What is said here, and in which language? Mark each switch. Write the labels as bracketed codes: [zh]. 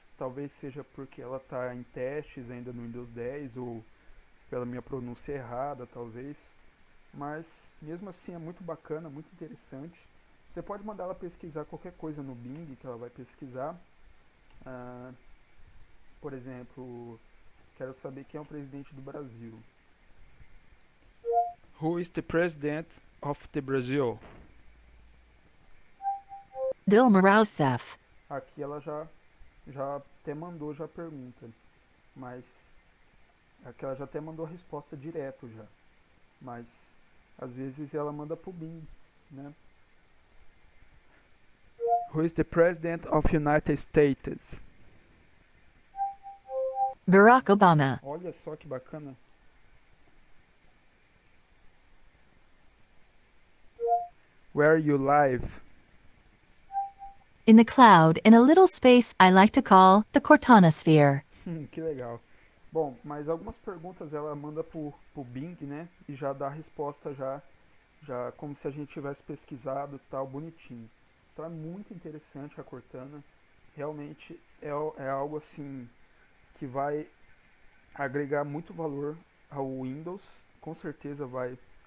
[pt] Talvez seja porque ela está em testes ainda no Windows 10 ou pela minha pronúncia errada, talvez. Mas mesmo assim é muito bacana, muito interessante. Você pode mandar ela pesquisar qualquer coisa no Bing que ela vai pesquisar. Por exemplo, quero saber quem é o presidente do Brasil. [en] Who is the president of the Brazil? Dilma Rousseff. [pt] Aqui ela já até mandou já a pergunta, mas aqui ela já até mandou a resposta direto já. Mas às vezes ela manda pro Bing, né? [en] Who is the president of United States? Barack Obama. [pt] Olha só que bacana. [en] Where are you live? In the cloud, in a little space I like to call the Cortana sphere. [pt] Que legal. Bom, mas algumas perguntas ela manda pro Bing, né? E já dá a resposta já como se a gente tivesse pesquisado, tal, bonitinho. Então é muito interessante a Cortana. Realmente é algo assim que vai agregar muito valor ao Windows. Com certeza vai.